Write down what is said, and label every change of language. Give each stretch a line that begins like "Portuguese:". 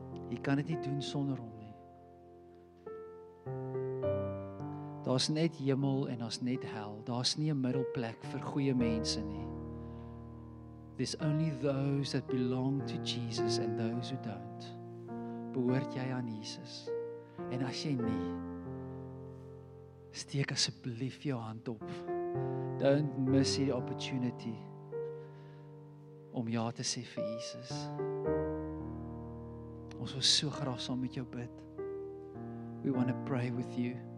Afrikaans: Jy kan dit nie doen sonder hom. Daar's net hemel en daar's net hel. Daar's nie 'n middelplek vir goeie mense nie.
English: There's only those that belong to Jesus and those who don't.
Afrikaans: Behoort jy aan Jesus? En as jy nie, steek asseblief jou hand op. Don't miss the opportunity om ja te sê vir Jesus. Ons wil so graag saam met jou bid. We want to pray with you.